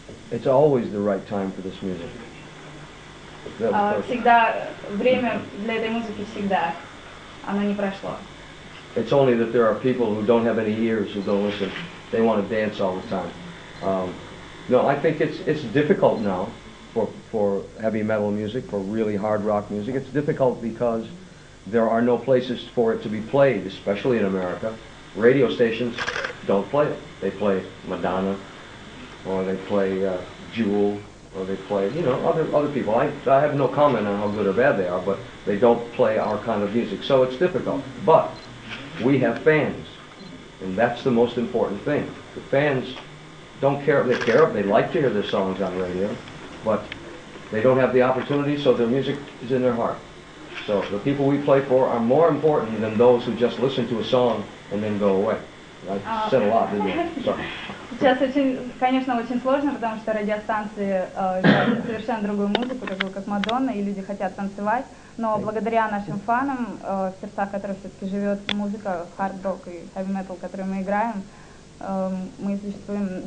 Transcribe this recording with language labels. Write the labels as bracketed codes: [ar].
[en] It's always the right time for this music. [ru] Всегда время для этой музыки всегда. Оно не прошло. [en] It's only that there are people who don't have any ears who don't listen. They want to dance all the time. No, I think it's difficult now for heavy metal music, for really hard rock music. It's difficult because there are no places for it to be played, especially in America. Radio stations don't play it. They play Madonna. Or they play Jewel, or they play, you know, other people. I have no comment on how good or bad they are, but they don't play our kind of music, so it's difficult. But we have fans, and that's the most important thing. The fans don't care if they care, if they like to hear their songs on radio, but they don't have the opportunity, so their music is in their heart. So the people we play for are more important than those who just listen to a song and then go away. I said a lot, didn't I? Sorry. [ru] Сейчас очень, конечно, очень сложно, потому что радиостанции делают совершенно другую музыку, такую как Мадонна, и люди хотят танцевать. Но благодаря нашим фанам, в сердцах которых все-таки живет музыка, хард-рок и хэви-метал, которые мы играем, мы существуем.